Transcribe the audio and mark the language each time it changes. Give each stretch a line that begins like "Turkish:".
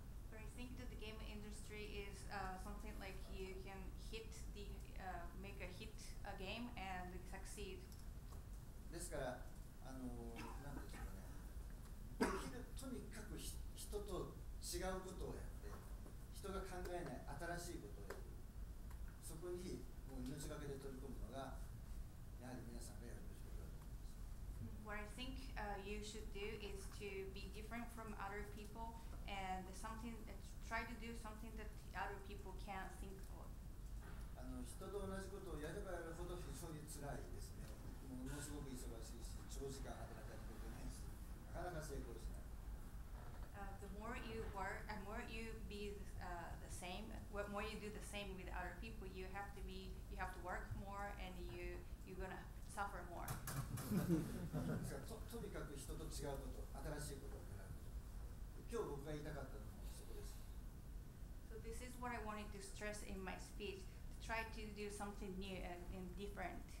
English: But I think that the game industry is something like you can hit the make a hit a game and succeed.
Japanese: ですから、とにかく人と違うことをやって、人が考えない新しいことをやる。こにもう命がけで取り込むのがやはり皆さんがやるべきだと思います。
English: What I think、you should do is to be different from other people and something, try to do something that other people can't think of.
Japanese: 人と同じことをやればやるほど非常につらいですね。ものすごく忙しいし、長時間働かないといけないし、なかなか成功しない。
English: The more you work and more you be the same, what more you do the same with other people, you have to be, you have to work more and you're gonna suffer more.
Japanese: とにかく人と違うこと、新しいことを選ぶ。今日僕が言いたかったのもそこです。
English: So this is what I wanted to stress in my speech, to try to do something new and different.